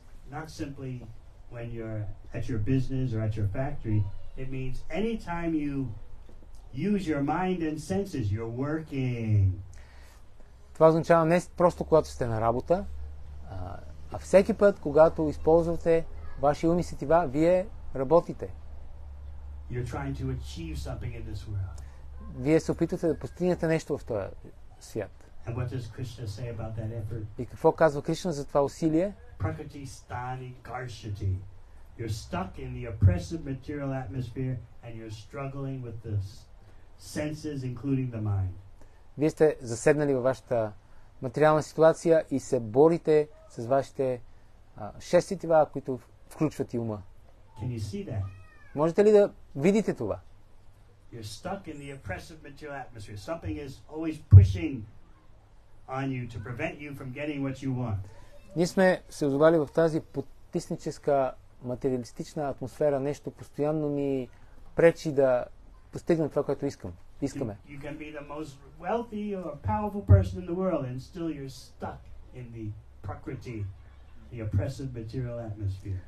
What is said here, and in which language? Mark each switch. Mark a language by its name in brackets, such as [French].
[English] Not simply when you're at your business or at your factory, it means anytime you use your mind and senses, you're working. [Bulgarian] Това означава не просто когато сте на работа, а всеки път, когато използвате вашия ум и сетива, вие работите. [English] You're trying to achieve something in this world. [Bulgarian] Вие се опитвате да постигнете нещо в този свят. [English] And what does Krishna say about that effort? [Bulgarian] И какво казва Кришна за това усилие? [Sanskrit] Prakriti stani garshati. [English] You're stuck in the oppressive material atmosphere and you're struggling with the senses, including the mind. [Bulgarian] Вие сте заседнали във вашата материална ситуация и се борите с вашите шест сетива, които включват и ума. [English] Can you see that? [Bulgarian] Можете ли да видите това? [English] You're stuck in the oppressive material atmosphere. Something is always pushing on you to prevent you from getting what you want. [Bulgarian] Ние сме се озовали в тази потисническа материалистична атмосфера, нещо постоянно ни пречи да постигнем това, което искаме. [English] You can be the most wealthy or powerful person in the world and still you're stuck in the prakriti, the oppressive material atmosphere.